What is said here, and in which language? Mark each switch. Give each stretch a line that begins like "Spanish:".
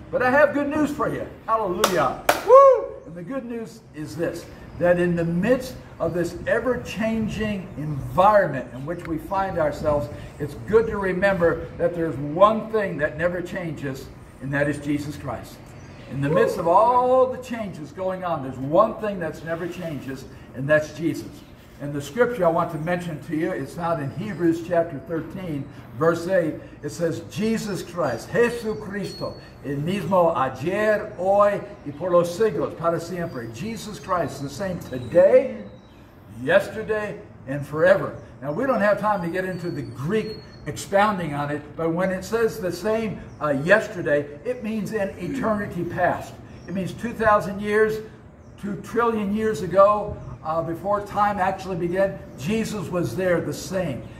English: But I have good news for you. Hallelujah. Woo! And the good news is this, that in the midst of this ever-changing environment in which we find ourselves, it's good to remember that there's one thing that never changes, and that is Jesus Christ. In the midst of all the changes going on, there's one thing that's never changes, and that's Jesus. And the scripture I want to mention to you is found in Hebrews chapter 13, verse 8. It says,
Spanish: Jesus Christ, Jesucristo, el mismo ayer, hoy, y por los siglos, para siempre.
English: Jesus Christ, the same today, yesterday, and forever. Now, we don't have time to get into the Greek expounding on it, but when it says the same yesterday, it means in eternity past. It means 2,000 years, 2 trillion years ago, before time actually began, Jesus was there the same.